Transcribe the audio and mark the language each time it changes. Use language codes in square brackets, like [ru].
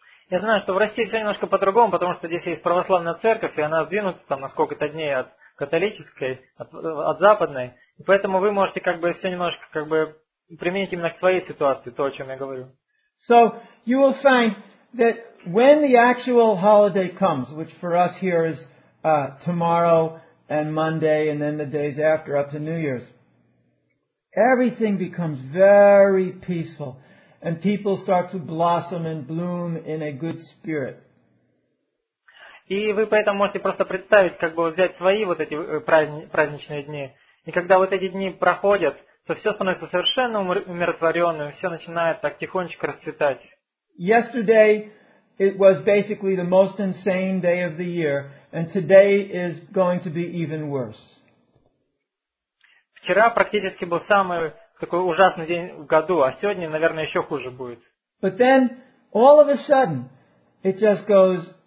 [ru] Я знаю, что в России все немножко по-другому, потому что здесь есть православная церковь, и она сдвинута там на сколько-то дней от католической, от западной. И поэтому вы можете как бы все немножко как бы применить именно к своей ситуации, то, о чем я говорю. [en] So you will find that when the actual holiday comes, which for us here is tomorrow and Monday and then the days after up to New Year's, everything becomes very peaceful. And people start to blossom and bloom in a good spirit. [ru] И вы поэтому можете просто представить, как бы взять свои вот эти праздничные дни. И когда вот эти дни проходят, то все становится совершенно умиротворенным, все начинает так тихонечко расцветать. [en] Yesterday it was basically the most insane day of the year, and today is going to be even worse. [ru] Вчера практически был самый такой ужасный день в году, а сегодня, наверное, еще хуже будет. [en] But then, all of a sudden, it just goes...